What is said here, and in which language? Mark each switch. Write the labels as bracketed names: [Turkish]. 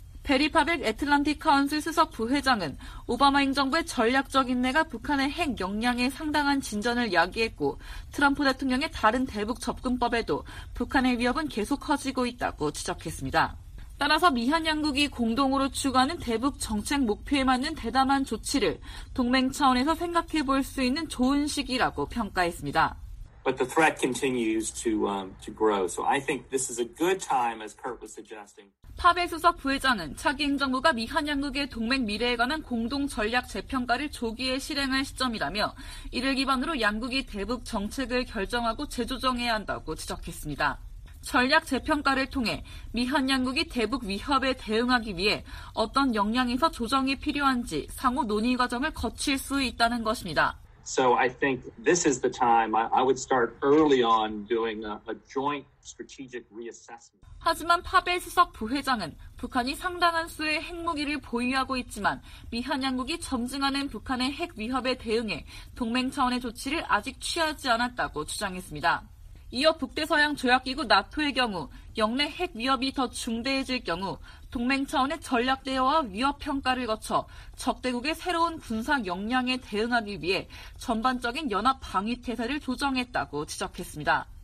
[Korean] 베리파벡 애틀란틱 카운슬 수석 부회장은 오바마 행정부의 전략적 인내가 북한의 핵 역량에 상당한 진전을 야기했고 트럼프 대통령의 다른 대북 접근법에도 북한의 위협은 계속 커지고 있다고 지적했습니다. 따라서 미한 양국이 공동으로 추구하는 대북 정책 목표에 맞는 대담한 조치를 동맹 차원에서 생각해 볼 수 있는 좋은 시기라고 평가했습니다. [English] But the threat continues to grow. So I think this is a good time, as Kurt was suggesting. [Korean] 파베 수석 부회장은 차기 행정부가 미한 양국의 동맹 미래에 관한 공동 전략 재평가를 조기에 실행할 시점이라며 이를 기반으로 양국이 대북 정책을 결정하고 재조정해야 한다고 지적했습니다. 전략 재평가를 통해 미한 양국이 대북 위협에 대응하기 위해 어떤 역량에서 조정이 필요한지 상호 논의 과정을 거칠 수 있다는 것입니다. [English] So I think this is the time I would start early on doing a joint strategic reassessment. [Korean] 하지만 파벨 수석 부회장은 북한이 상당한 수의 핵무기를 보유하고 있지만 미한 양국이 점증하는 북한의 핵 위협에 대응해 동맹 차원의 조치를 아직 취하지 않았다고 주장했습니다. 이어 북대서양 조약기구 나토의 경우 영내 핵 위협이 더 중대해질 경우 동맹 차원의 전략 대여와 위협 평가를 거쳐 적대국의 새로운 군사 역량에 대응하기 위해 전반적인 연합 방위 태세를 조정했다고 지적했습니다.